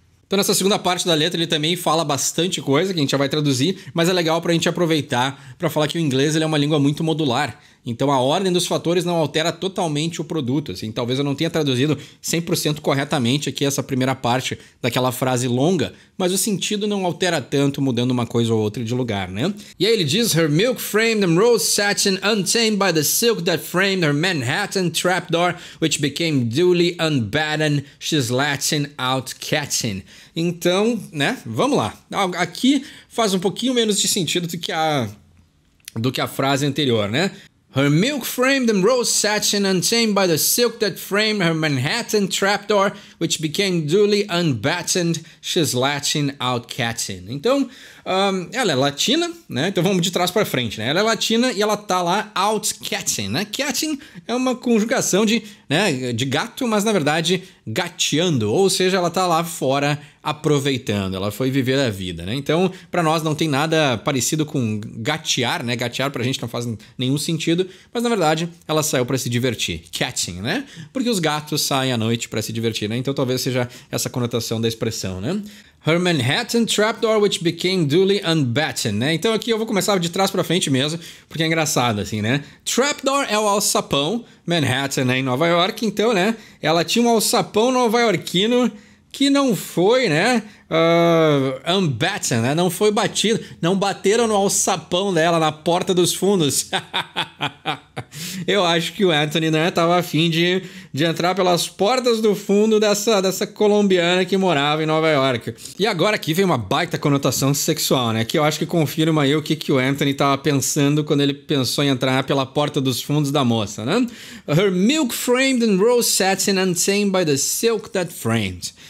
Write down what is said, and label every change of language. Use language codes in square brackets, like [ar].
[pt] Então, nessa segunda parte da letra, ele também fala bastante coisa que a gente já vai traduzir, mas é legal para a gente aproveitar para falar que o inglês ele é uma língua muito modular. Então, a ordem dos fatores não altera totalmente o produto. Assim, talvez eu não tenha traduzido 100% corretamente aqui essa primeira parte daquela frase longa, mas o sentido não altera tanto mudando uma coisa ou outra de lugar, né? [en] E aí ele diz, her milk framed and rose satin untamed by the silk that framed her Manhattan trapdoor which became duly unbattened she's latching out catching. [pt] Então, né? Vamos lá. Aqui faz um pouquinho menos de sentido do que a frase anterior, né? [en] Her milk framed and rose satin untamed by the silk that framed her Manhattan trapdoor, which became duly unbattened, she's latching out catting. [pt] Então, ela é latina, né? Então vamos de trás para frente, né? Ela é latina e ela tá lá [en] out catting, [pt] né? Catting é uma conjugação de, né, de gato, mas na verdade gateando, ou seja, ela tá lá fora aproveitando, ela foi viver a vida, né? Então, para nós não tem nada parecido com gatear, né? Gatear pra gente não faz nenhum sentido, mas na verdade ela saiu para se divertir, catting, né? Porque os gatos saem à noite para se divertir, né? Então talvez seja essa conotação da expressão, né? [en] Her Manhattan trapdoor, which became duly unbattened, né? [pt] Então aqui eu vou começar de trás pra frente mesmo, porque é engraçado assim, né? Trapdoor é o alçapão, Manhattan, né, em Nova York, então, né? Ela tinha um alçapão nova-iorquino que não foi, né, unbattened, né? Não foi batido, não bateram no alçapão dela na porta dos fundos. Eu acho que o Anthony, né, tava afim de entrar pelas portas do fundo dessa colombiana que morava em Nova York. E agora aqui vem uma baita conotação sexual, né? Que eu acho que confirma aí o que o Anthony tava pensando quando ele pensou em entrar pela porta dos fundos da moça, né? [en] Her milk framed and rose satin untamed by the silk that framed.